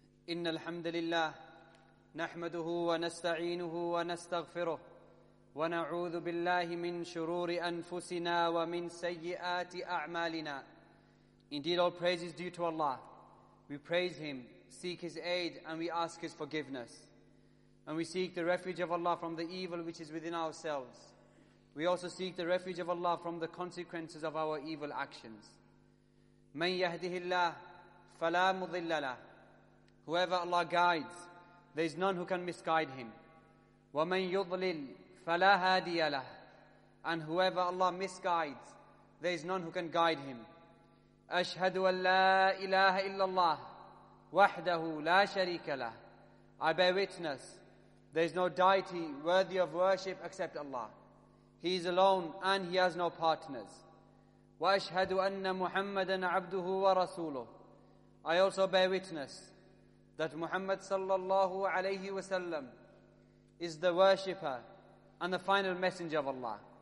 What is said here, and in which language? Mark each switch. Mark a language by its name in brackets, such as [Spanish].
[Arabic] إن الحمد لله نحمده ونستعينه ونستغفره ونعوذ بالله من شرور أنفسنا ومن سيئات أعمالنا. [English] Indeed, all praise is due to Allah. We praise Him, seek His aid, and we ask His forgiveness. And we seek the refuge of Allah from the evil which is within ourselves. We also seek the refuge of Allah from the consequences of our evil actions. [Arabic] من يهده الله فلا مضل له. [English] Whoever Allah guides, there is none who can misguide him. [Arabic] وَمَنْ يُضْلِلْ فَلَا هَادِيَ لَهُ. [English] And whoever Allah misguides, there is none who can guide him. [Arabic] أشهد أن لا إله إلا الله وحده لا شريك له. [English] I bear witness, there is no deity worthy of worship except Allah. He is alone and he has no partners. [Arabic] وَأَشْهَدُ أَنَّ مُحَمَّدًا عَبْدُهُ وَرَسُولُهُ. [English] I also bear witness that Muhammad sallallahu alayhi wa sallam is the worshipper and the final messenger of Allah.